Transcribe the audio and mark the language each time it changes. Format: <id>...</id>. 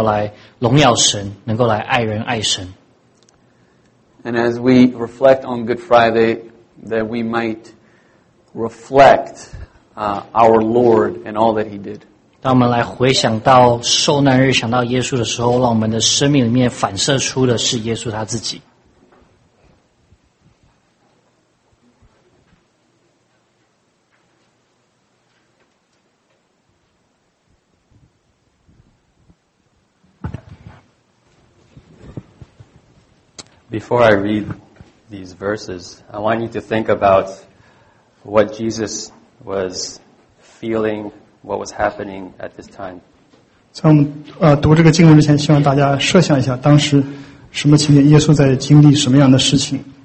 <zh>让我们来学习耶稣的样式，当他被钉在十字架上受苦的时候，他并不是专注在自己身上。同样，当我们在受苦的时候，学习耶稣，我们怎么样在受苦的同时，我们能够来顺服神，能够来荣耀神，能够来爱人爱神。</zh> <en>And as we reflect on Good Friday, that we might reflect our Lord and all that He did.</en> <zh>当我们来回想到受难日，想到耶稣的时候，让我们的生命里面反射出的是耶稣他自己。</zh> <en>Before I read these verses, I want you to think about what Jesus was feeling, what was happening at this time.</en> <zh>在我们读这个经文之前, 希望大家设想一下当时什么情景,耶稣在经历什么样的事情。</zh>